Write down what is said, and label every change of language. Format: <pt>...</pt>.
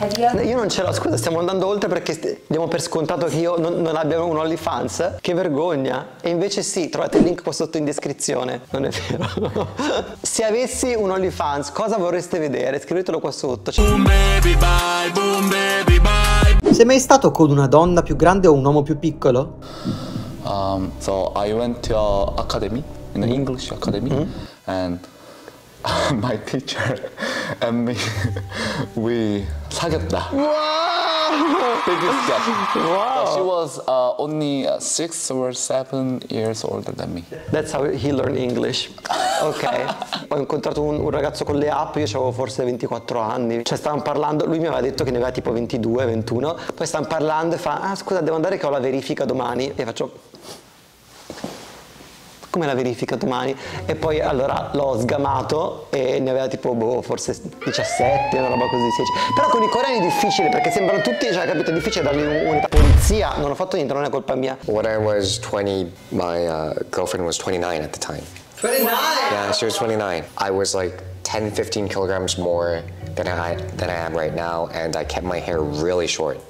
<it>Io non ce l'ho, scusa, stiamo andando oltre perché diamo per scontato che io non abbia un OnlyFans. Che vergogna. E invece sì, trovate il link qua sotto in descrizione. Non è vero. Se avessi un OnlyFans, cosa vorreste vedere? Scrivetelo qua sotto.</it> <en>Boom baby bye, boom baby bye.</en> <it>Sei mai stato con una donna più grande o un uomo più piccolo?</it> <en>So I went to an academy, in an English academy, and my teacher and me, we</en> <ko>사귀었다.</ko> <en>Wow! Biggest gap. Wow! But she was only 6 or 7 years older than me. That's how he learned English. Okay.</en> <it>Ho incontrato un ragazzo con le app, io avevo forse 24 anni. Cioè stavamo parlando, lui mi aveva detto che ne aveva tipo 22, 21. Poi stavamo parlando e fa, ah scusa, devo andare che ho la verifica domani. E faccio... come la verifica domani, e poi allora l'ho sgamato e ne aveva tipo boh, forse 17, una roba così, 16. Però con i coreani è difficile perché sembrano tutti, cioè capito, è difficile dargli un'unità. Polizia, non ho fatto niente, non è colpa mia.</it> <en>When I was 20, my girlfriend was 29 at the time. 29? Yeah, she was 29. I was like 10-15 kilograms more than I am right now, and I kept my hair really short.</en>